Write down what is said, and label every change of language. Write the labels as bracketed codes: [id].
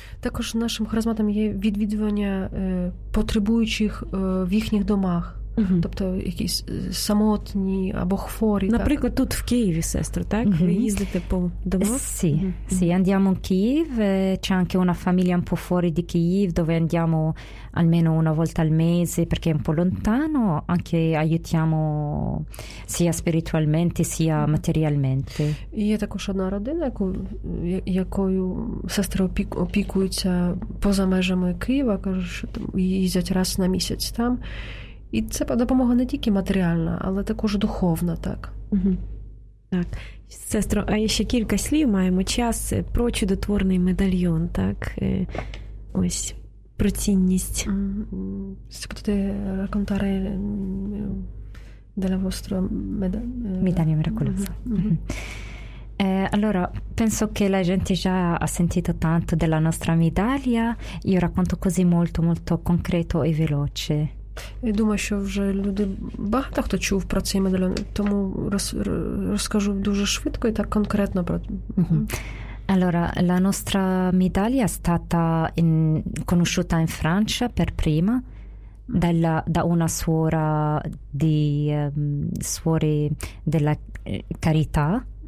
[uk] Також нашим харизматом є відвідування потребуючих в їхніх домах. Тобто якісь самотні або хворі. Наприклад, так, тут в Києві, сестра, так? Ви їздите по домах? [it] Sì, sì, andiamo in Київ, c'è anche una famiglia un po' fuori di Київ, dove andiamo almeno una volta al mese, perché è un po' lontano, anche aiutiamo sia spiritualmente, sia materialmente. [uk] Є також одна родина, якою сестра опікується поза межами Києва, каже, що їздять раз на місяць там. І це допомога не тільки матеріальна, але також духовна, так. Так. Сестро, а ще кілька слів маємо час про чудотворний медальйон, так? Ось, про цінність. [it] Se potete raccontare della vostra medaglia miracolosa. Allora, penso che la gente già ha sentito tanto della nostra medaglia. Io racconto così molto, molto concreto e veloce. [uk] Я думаю, що вже люди багато хто чув про цей медальйон, тому розкажу дуже швидко і так конкретно про. [it] Allora, la nostra medaglia è stata conosciuta in Francia per prima da una suora di suore della carità.